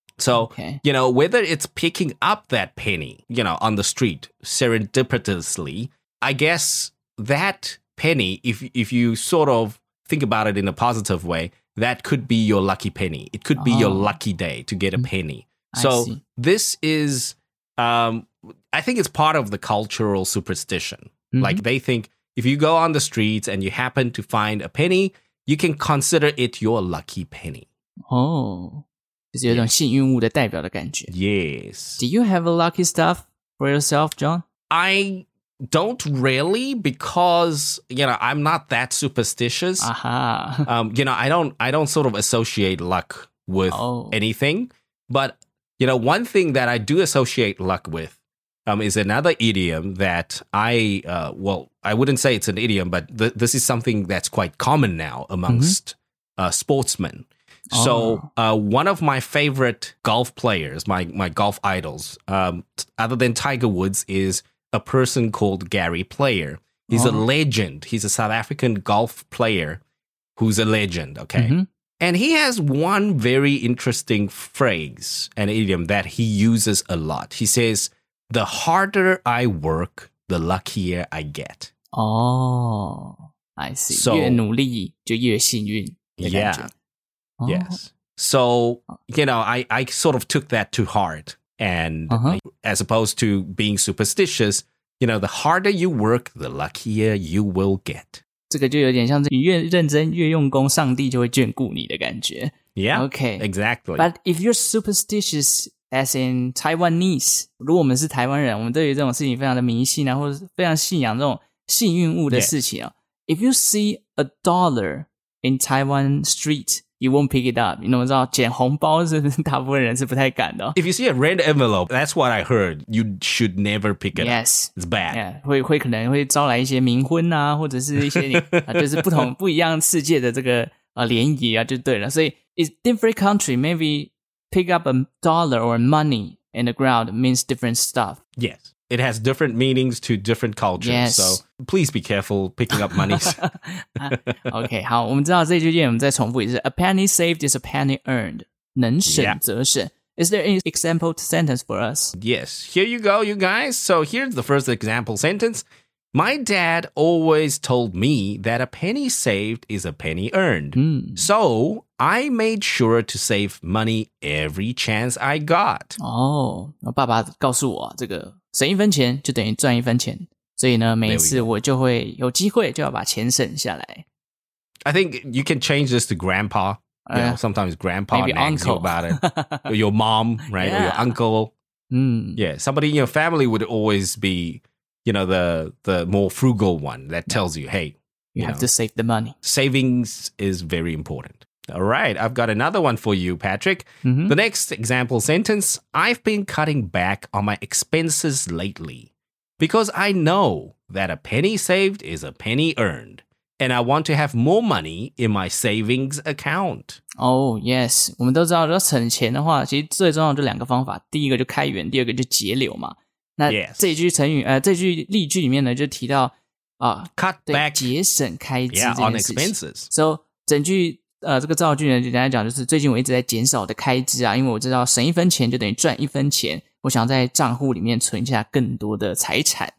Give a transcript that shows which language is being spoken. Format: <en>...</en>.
<en>So, you know, whether it's picking up that penny, you know, on the street serendipitously, I guess that penny, if you sort of think about it in a positive way, that could be your lucky penny. It could be your lucky day to get a penny. So this is, I think it's part of the cultural superstition. Like they think if you go on the streets and you happen to find a penny, you can consider it your lucky penny.</en> <zh>Oh, 就是有一种幸运物的代表的感觉。</zh> <en>Yes. Do you have a lucky stuff for yourself, John? I don't really because, you know, I'm not that superstitious. Aha. You know, I don't sort of associate luck with anything. But, you know, one thing that I do associate luck with is another idiom that I, I wouldn't say it's an idiom, but this is something that's quite common now amongst sportsmen. So one of my favorite golf players, my golf idols, other than Tiger Woods, is a person called Gary Player. He's a legend. He's a South African golf player who's a legend, okay? Mm-hmm. And he has one very interesting phrase, an idiom that he uses a lot. He says, the harder I work, the luckier I get. Oh, I see.</en> <zh>So, 越努力就越幸运的感觉。</zh> <en>Yes. So, you know, I sort of took that to heart. And as opposed to being superstitious, you know, the harder you work, the luckier you will get.</en> <zh>这个就有点像是你越认真越用功，上帝就会眷顾你的感觉。</zh> <en>Yeah, okay. Exactly. But if you're superstitious... As in Taiwanese,</en> <zh>如果我们是台湾人，我们对于这种事情非常的迷信啊，或者非常信仰这种幸运物的事情啊。</zh> <en>If you see a dollar in Taiwan street, you won't pick it up.</en> <zh>你怎么知道捡红包是大部分人是不太敢的。</zh> <en>If you see a red envelope, that's what I heard. You should never pick it up. It's bad.</en> <zh>Yeah, 会可能会招来一些冥婚啊，或者是一些就是不一样世界的这个联谊啊，就对了。</zh> <en>所以 it's different country, maybe... Pick up a dollar or money in the ground means different stuff. Yes. It has different meanings to different cultures. Yes. So please be careful picking up money.</en> <zh>okay, 好我们知道这句谚我们再重复一次。</zh> <en>A penny saved is a penny earned.</en> <zh>能省则省。</zh> <en>Is there an example sentence for us? Yes. Here you go, you guys. So here's the first example sentence. My dad always told me that a penny saved is a penny earned. So... I made sure to save money every chance I got.</en> <zh>Oh, 爸爸告诉我这个省一分钱就等于赚一分钱。所以呢每一次我就会有机会就要把钱省下来。</zh> <en>I think you can change this to grandpa. You know, sometimes grandpa nags you about it. Your mom, right? Or your uncle. Yeah, somebody in your family would always be, you know, the more frugal one that tells you, hey, you have to save the money. Savings is very important. All right, I've got another one for you, Patrick. Mm-hmm. The next example sentence, I've been cutting back on my expenses lately because I know that a penny saved is a penny earned and I want to have more money in my savings account. Oh, yes.</en> <zh>我们都知道要省钱的话其实最重要就两个方法第一个就开源第二个就节流嘛。那这句成语、这句例句里面呢就提到、</zh> <en>cut back</en> <zh>节省开支</zh> <en>yeah, on expenses.</en> <zh>So, 整句这个造句呢，简单来讲就是最近我一直在减少我的开支啊，因为我知道省一分钱就等于赚一分钱，我想在账户里面存下更多的财产。</zh>